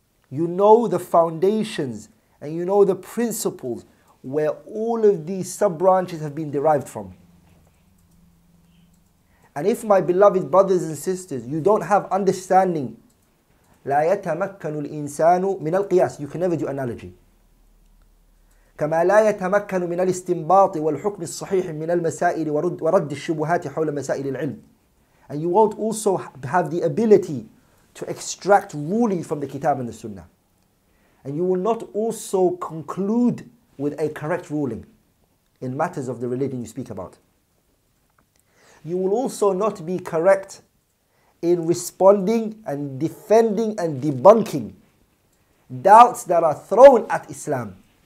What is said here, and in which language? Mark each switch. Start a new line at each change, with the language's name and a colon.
English: You know the foundations and you know the principles where all of these sub-branches have been derived from. And if my beloved brothers and sisters, you don't have understanding,
Arabic: لا يتمكن الإنسان من القياس.
English: You can never do analogy.
Arabic: كما لا يتمكن من الاستنباط والحكم الصحيح من المسائل ورد الشبهات حول مسائل العلم.
English: And you won't also have the ability to extract ruling from the Kitab and the Sunnah. And you will not also conclude with a correct ruling in matters of the religion you speak about. You will also not be correct in responding and defending and debunking doubts that are thrown at Islam.